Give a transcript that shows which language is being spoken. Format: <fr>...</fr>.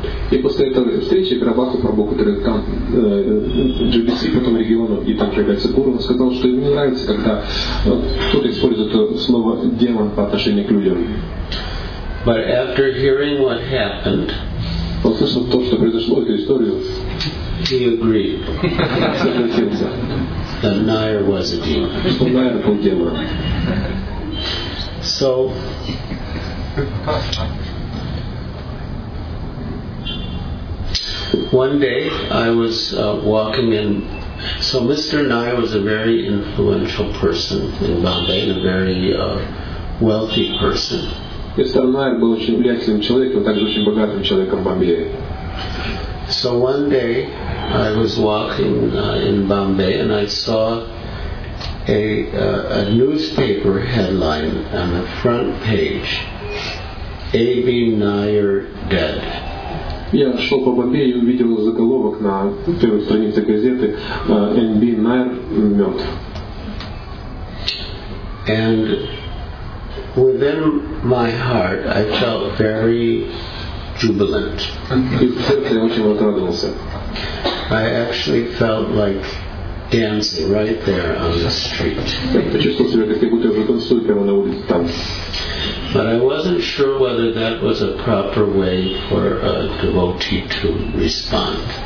<ru>И после этой встречи Вирабху Прабху, который там GBC, потом регион, и там является гуру, сказал, что ему не нравится, когда кто-то использует слово демон по отношению к людям.</ru> <en>But after hearing what happened,</en> <ru>послушав то, что произошло, эту историю,</ru> <en>he agreed.</en> <ru>Согласился.</ru> <en>That Nair was a demon.</en> <ru>Nair был демоном.</ru> <en>So one day I was walking in. So Mr. Nair was a very influential person in Bombay, a very wealthy person. Mr.</en> <ru>Nair был очень влиятельным человеком, также очень богатым человеком в Бомбее.</ru> <en>So one day I was walking in Bombay and I saw a newspaper headline on the front page: A.B. Nair dead.</en> <ru>Я шел по Бомбее и увидел заголовок на первой странице газеты N.B. Nair мертв.</ru> <en>And within my heart I felt very jubilant.</en> <ru>И в сердце я очень возрадовался.</ru> <en>I actually felt like dancing right there on the street.</en> <ru>Я почувствовал себя, как будто я уже танцую прямо на улице там.</ru> <en>But I wasn't sure whether that was a proper way for a devotee to respond.</en>